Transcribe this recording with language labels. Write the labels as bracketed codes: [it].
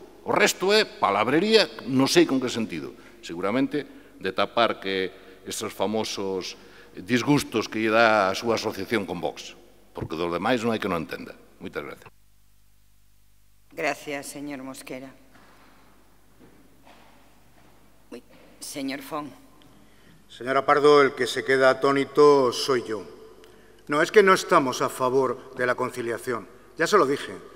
[gl] O resto é palabrería, non sei con que sentido. Seguramente, de tapar que estes famosos disgustos que lle dá a súa asociación con Vox, porque dos demais non hai que non entenda. Moitas gracias. Gracias, señor Mosquera. Señor Fon. [es] Señora Pardo, el que se queda atónito soy yo. No, es que no estamos a favor de la conciliación. Ya se lo dije.